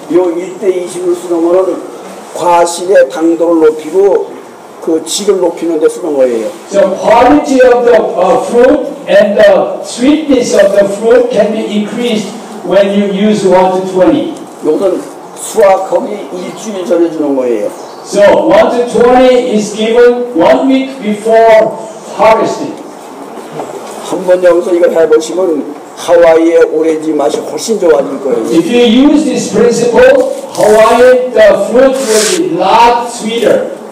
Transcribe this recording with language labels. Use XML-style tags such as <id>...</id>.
<ko>요 1대 20을 쓰는 거는 과실의 당도를 높이고 그 질을 높이는 데 쓰는 거예요.</ko> <en>So quality of the fruit and the sweetness of the fruit can be increased when you use 1 to 20.</en> <ko>요건 수확하기 일주일 전에 주는 거예요.</ko> <en>So 1 to 20 is given 1 week before harvesting.</en> <ko>한번 여기서 이걸 해보시면 하와이의 오렌지 맛이 훨씬 좋아질 거예요.</ko> <en>If you use this principle, Hawaii the fruit will be a lot sweeter.</en>